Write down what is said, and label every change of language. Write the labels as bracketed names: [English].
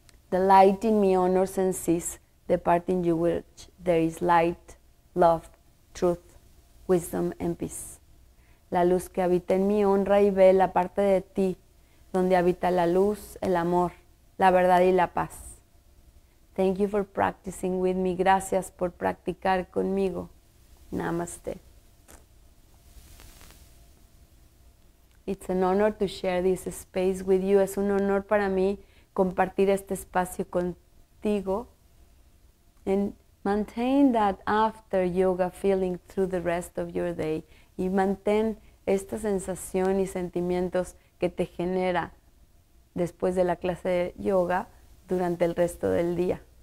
[English] The light in me honors and sees the part in you which there is light, love, truth, wisdom and peace. [Spanish] La luz que habita en mí honra y ve la parte de ti donde habita la luz, el amor, la verdad y la paz. [English] Thank you for practicing with me. [Spanish] Gracias por practicar conmigo. [English] Namaste. It's an honor to share this space with you. [Spanish] Es un honor para mí compartir este espacio contigo. [English] And maintain that after yoga feeling through the rest of your day. [Spanish] Y mantén esta sensación y sentimientos que te genera después de la clase de yoga durante el resto del día.